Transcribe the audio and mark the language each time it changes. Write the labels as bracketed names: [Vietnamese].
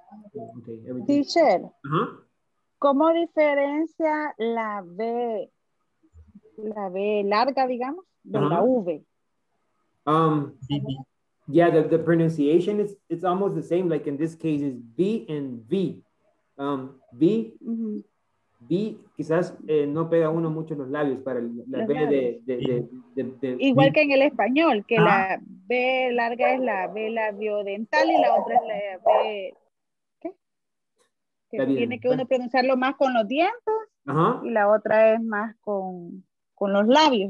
[English] Okay, teacher, [Spanish] ¿cómo diferencia la B, larga, digamos, de la V? [English] Yeah, the pronunciation is it's almost the same. Like in this case, is B and V. [Spanish] V, V, quizás no pega uno mucho los labios para la B de igual que en el español, que la B larga es la B labiodental y la otra es la B. Que tiene que uno pronunciarlo más con los dientes y la otra es más con los labios.